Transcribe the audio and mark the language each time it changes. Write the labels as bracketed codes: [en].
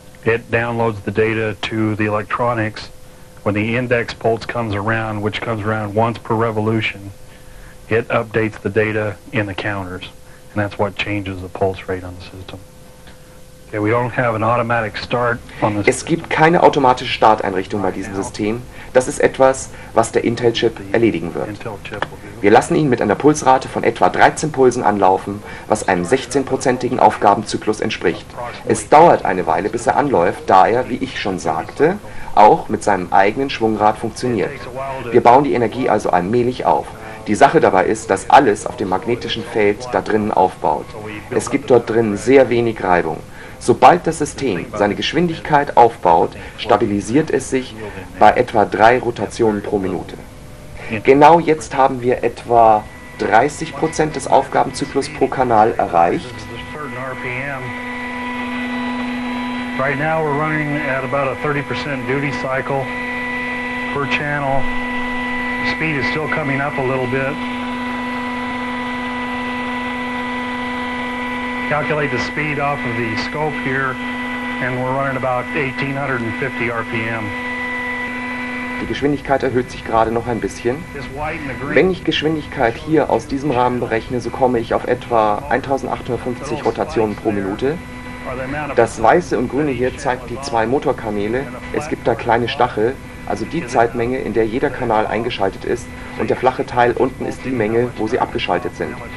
[en] It downloads the data to the electronics. When the index pulse comes around, which comes around once per revolution, it updates the data in the counters. And that's what changes the pulse rate on the system. Okay, we don't have an automatic start on this. [de] Es gibt keine automatische Starteinrichtung bei diesem System. Das ist etwas, was der Intel-Chip erledigen wird. Wir lassen ihn mit einer Pulsrate von etwa 13 Pulsen anlaufen, was einem 16-prozentigen Aufgabenzyklus entspricht. Es dauert eine Weile, bis er anläuft, da er, wie ich schon sagte, auch mit seinem eigenen Schwungrad funktioniert. Wir bauen die Energie also allmählich auf. Die Sache dabei ist, dass alles auf dem magnetischen Feld da drinnen aufbaut. Es gibt dort drinnen sehr wenig Reibung. Sobald das System seine Geschwindigkeit aufbaut, stabilisiert es sich bei etwa 3 Rotationen pro Minute. Genau jetzt haben wir etwa 30% des Aufgabenzyklus pro Kanal erreicht. [en] Right now we're running at about a 30% duty cycle per channel. Speed is still coming up a little bit. Calculate the speed off of the scope here and we're running about 1850 RPM. [de] Die Geschwindigkeit erhöht sich gerade noch ein bisschen. Wenn ich Geschwindigkeit hier aus diesem Rahmen berechne, so komme ich auf etwa 1850 Rotationen pro Minute. Das Weiße und Grüne hier zeigt die 2 Motorkanäle. Es gibt da kleine Stachel, also die Zeitmenge, in der jeder Kanal eingeschaltet ist, und der flache Teil unten ist die Menge, wo sie abgeschaltet sind.